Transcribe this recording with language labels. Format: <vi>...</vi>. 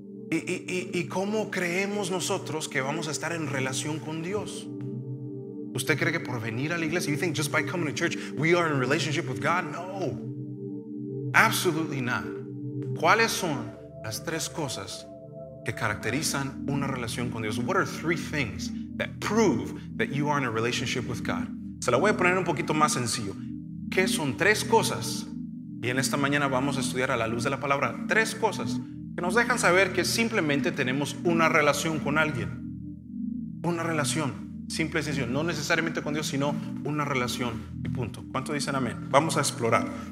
<es>¿Y cómo creemos nosotros que vamos a estar en relación con Dios? ¿Usted cree que por venir a la iglesia,</es> <en>you think just by coming to church, we are in relationship with God? No. Absolutely not.</en> <es>¿Cuáles son las tres cosas que caracterizan una relación con Dios?</es> <en>What are three things that prove that you are in a relationship with God?</en> <es>Se la voy a poner un poquito más sencillo. ¿Qué son tres cosas? Y en esta mañana vamos a estudiar a la luz de la palabra tres cosas que nos dejan saber que simplemente tenemos una relación con alguien. Una relación. Simple y sencillo, no necesariamente con Dios, sino una relación y punto. ¿Cuánto dicen amén? Vamos a explorar.</es>